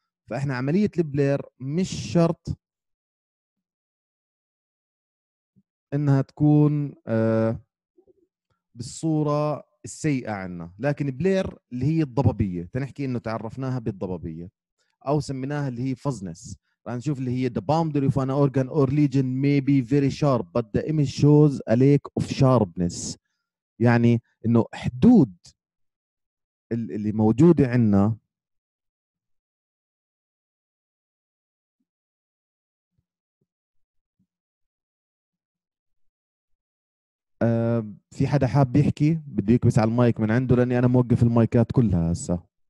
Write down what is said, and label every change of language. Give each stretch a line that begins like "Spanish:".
Arabic: فإحنا عملية البلير مش شرط إنها تكون بالصورة السيئة عنا، لكن بلير اللي هي الضبابية تنحكي إنه تعرفناها بالضبابية أو سميناها اللي هي فزنس. رح نشوف اللي هي
English: the boundary of an organ or lesion may be very sharp but the image shows a lack of sharpness.
Arabic: يعني إنه حدود اللي موجودة عنا في حدا حاب يحكي بده يكبس على المايك من عنده، لاني انا موقف المايكات كلها هسه.